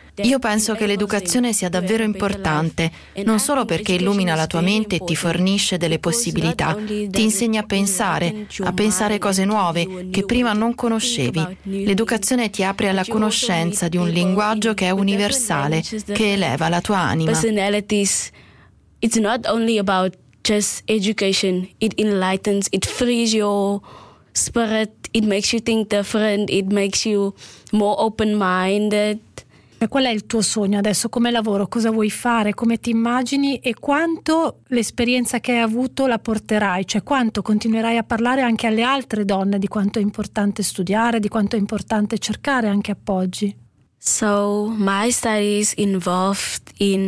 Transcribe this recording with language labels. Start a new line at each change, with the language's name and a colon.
Italian: Io penso che l'educazione sia davvero importante, non solo perché illumina la tua mente e ti fornisce delle possibilità, ti insegna a pensare cose nuove che prima non conoscevi. L'educazione ti apre alla conoscenza di un linguaggio che è universale, che eleva la tua anima.
English: Just education, it enlightens, it frees your spirit, it makes you think different, it makes you more open-minded.
Italian: E qual è il tuo sogno adesso come lavoro? Cosa vuoi fare? Come ti immagini? E quanto l'esperienza che hai avuto la porterai? Cioè quanto continuerai a parlare anche alle altre donne di quanto è importante studiare, di quanto è importante cercare anche appoggi?
English: So, my studies involved in.